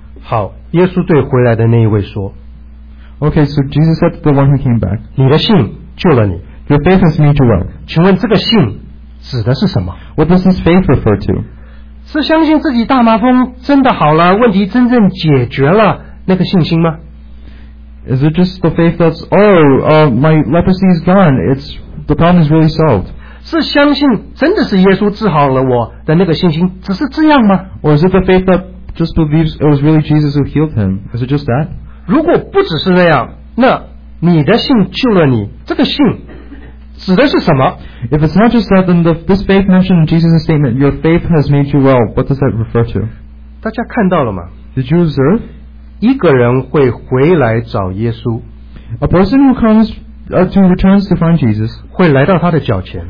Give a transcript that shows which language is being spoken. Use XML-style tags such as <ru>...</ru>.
<zh>好, 耶稣对回来的那一位说,</zh> <en>Okay, so Jesus said to the one who came back,</en> <zh>你的信救了你,</zh> <en>Your faith has made you well.</en> <zh>请问这个信指的是什么?</zh> <en>What does this faith refer to?</en> <zh>是相信自己大麻风真的好了, 问题真正解决了, 那个信心吗?</zh> <en>Is it just the faith that's, my leprosy is gone, the problem is really solved?</en> <zh>是相信真的是耶稣治好了我的那个信心,只是这样吗?</zh> <en>Or is it the faith that just believes it was really Jesus who healed him? Is it just that?</en> <zh>如果不只是那样, 那你的信救了你, 这个信指的是什么?</zh> <en>If it's not just that, then this faith mentioned in Jesus' statement, your faith has made you well, what does that refer to?</en> <zh>大家看到了吗?</zh> <en>Did you observe?</en> <zh>一个人会回来找耶稣,</zh> <en>A person who comes to returns to find Jesus,</en> <zh>会来到他的脚前,</zh>